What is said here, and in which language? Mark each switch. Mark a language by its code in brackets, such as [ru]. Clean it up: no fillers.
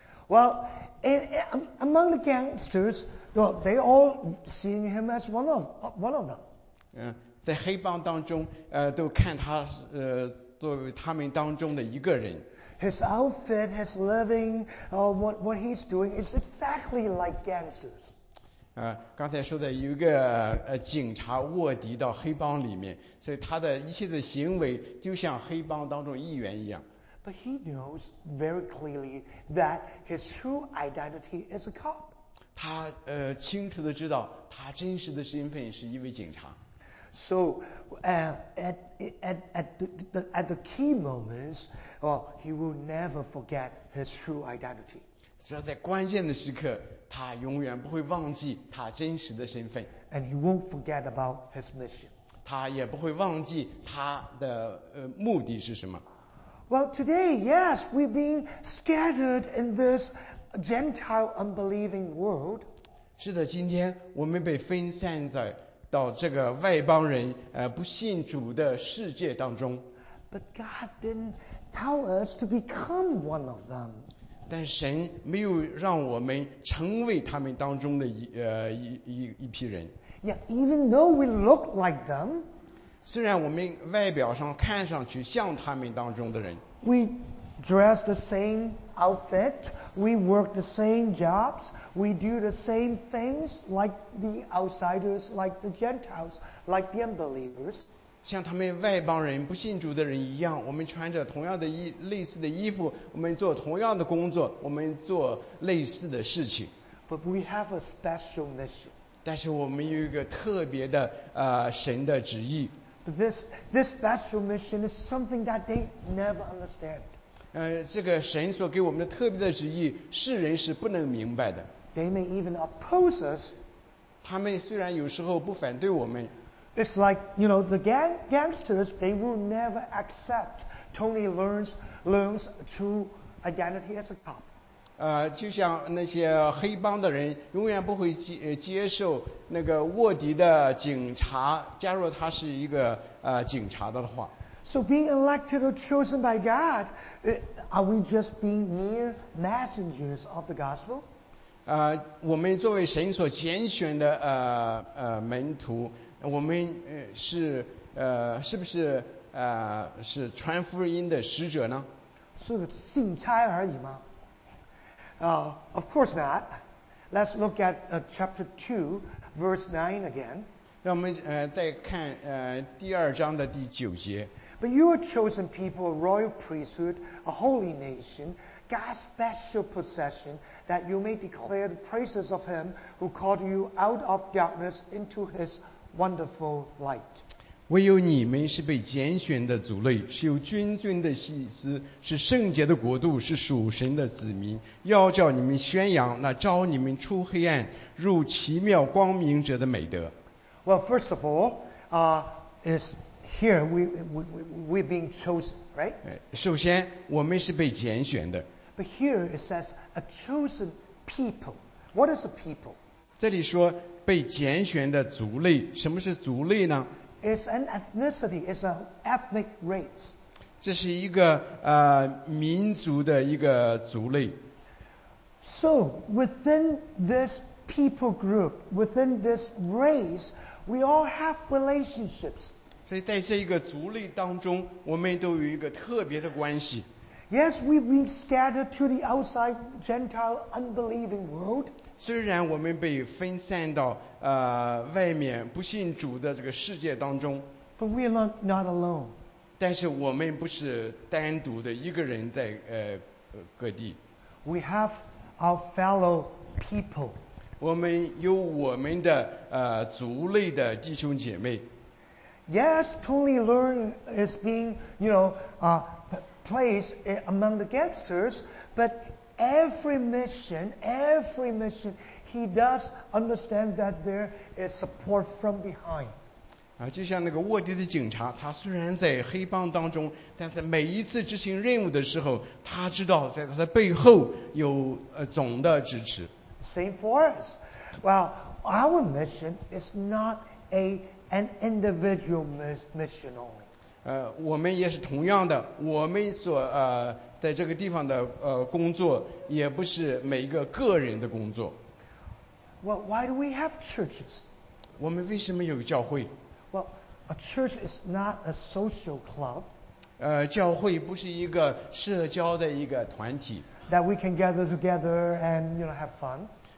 [en] Well, among the gangsters, well, they all seeing him as one of them. [zh] 在黑帮当中，都看他作为他们当中的一个人。 [en] His outfit, his living, what he's doing is exactly like gangsters. [zh] 刚才说的有一个警察卧底到黑帮里面，所以他的一切的行为就像黑帮当中一员一样。 [en] But he knows very clearly that his true identity is a cop. [zh] 他清楚地知道他真实的身份是一位警察。 [en] So at the key moments, he will never forget his true identity. [zh] 只要在关键的时刻，他永远不会忘记他真实的身份。 [en] And he won't forget about his mission. [zh] 他也不会忘记他的目的是什么。 [en] Well, today, yes, we've been scattered in this Gentile unbelieving world. [zh] 是的，今天我们被分散在到这个外邦人不信主的世界当中。 [en] But God didn't tell us to become one of them. [zh] 但神没有让我们成为他们当中的一批人。 [en] Yeah, even though we look like them. [zh] 虽然我们外表上看上去像他们当中的人 [en] ，We dress the same outfit, we work the same jobs, we do the same things like the outsiders, like the Gentiles, like the unbelievers. [zh] 像他们外邦人不信主的人一样，我们穿着同样的类似的衣服，我们做同样的工作，我们做类似的事情。 [en] But we have a special mission. [zh] 但是我们有一个特别的神的旨意。 [en] But this special mission is something that they never understand. [zh] 这个神所给我们的特别的旨意，世人是不能明白的。 [en] They may even oppose us. [zh] 他们虽然有时候不反对我们。 [en] It's like, you know, the gangsters, they will never accept Tony Leung's true identity as a cop. [zh] 就像那些黑帮的人永远不会接受那个卧底的警察加入他是一个警察的话。 [en] So being elected or chosen by God, are we just being mere messengers of the gospel? [zh] 我们作为神所拣选的门徒，我们是不是是传福音的使者呢？是信差而已吗？ [en] Of course not. Let's look at chapter 2:9 again. [zh] 让我们再看第二章的第九节。 [en] But you are chosen people, a royal priesthood, a holy nation, God's special possession, that you may declare the praises of Him who called you out of darkness into His wonderful light. [zh] 唯有你们是被拣选的族类，是有君尊的祭司，是圣洁的国度，是属神的子民，要叫你们宣扬那召你们出黑暗入奇妙光明者的美德。 [en] Well, first of all, is here we being chosen, right? [zh] 首先我们是被拣选的。 [en] But here it says a chosen people. What is a people? [zh] 这里说被拣选的族类，什么是族类呢？ [en] It's an ethnicity, it's an ethnic race. [zh] 这是一个民族的一个族类。 [en] So within this people group, within this race, we all have relationships. [zh] 所以在这一个族类当中，我们都有一个特别的关系。 [en] Yes, we've been scattered to the outside Gentile unbelieving world. [zh] 虽然我们被分散到外面不信主的这个世界当中， [en] But we are not alone. [zh] 但是我们不是单独的一个人在各地。 [en] We have our fellow people. [zh] 我们有我们的族类的弟兄姐妹。 [en] Yes, Tony Leung is being, you know, placed among the gangsters, but Every mission, he does understand that there is support from behind. [zh] 就像那个卧底的警察，他虽然在黑帮当中，但是每一次执行任务的时候，他知道在他的背后有总的支持。 [en] Same for us. Well, our mission is not an individual mission only. [zh] 我们也是同样的，我们所在这个地方的工作也不是每一个个人的工作。 [en] Well, why do we have churches? [zh] 我们为什么有教会？ [en] Well, a church is not a social club. [zh] 教会不是一个社交的一个团体。 [en] That we can gather together and, you know, have fun.